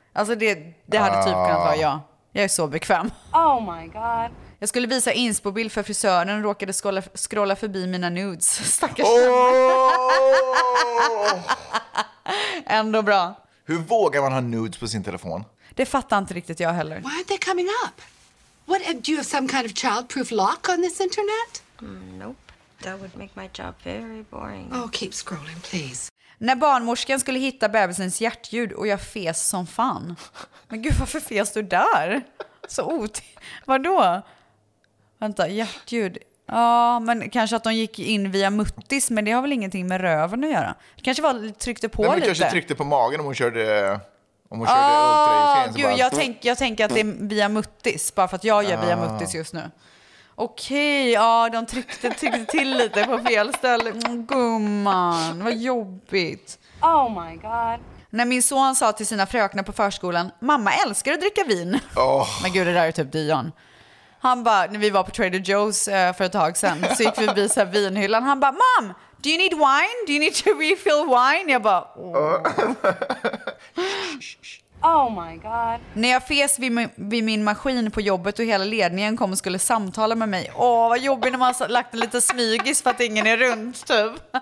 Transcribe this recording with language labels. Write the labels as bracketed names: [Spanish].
[Swedish] Alltså det hade typ kunnat vara jag. Jag är så bekväm. [English] Oh my god. [Swedish] Jag skulle visa inspobild för frisören och råkade scrolla förbi mina nudes. Stackars. Oh! Ändå bra. Hur vågar man ha nudes på sin telefon? Det fattar inte riktigt jag heller. [English] Why aren't they coming up? What, do you have some kind of childproof lock on this internet? Nope. That would make my job very boring. Oh, keep scrolling, please. [Swedish] När barnmorskan skulle hitta bebisens hjärtljud och jag fes som fan. Men gud, varför fes du där? Så vadå? Vänta, hjärtljud. Ja, men kanske att de gick in via muttis. Men det har väl ingenting med röven att göra. Kanske var tryckte på. Nej, men lite. Men kanske tryckte på magen om hon körde. Om hon jag tänker att det är via muttis. Bara för att jag gör via muttis just nu. Okej, ja, de tryckte till lite på fel ställe. Gumman, vad jobbigt. [English] Oh my god. [Swedish] När min son sa till sina fröknar på förskolan, mamma älskar att dricka vin. Oh. Men gud, det där är typ Dion. Han bara, när vi var på Trader Joe's för ett tag sedan, så gick vi förbi så här vinhyllan. [English] Han bara, mom, do you need wine? Do you need to refill wine? [Swedish] Jag bara, oh. [English] Oh my god. [Swedish] När jag fes vid min maskin på jobbet och hela ledningen kom och skulle samtala med mig. Åh, vad jobbigt när man har lagt en liten smygis för att ingen är runt, typ.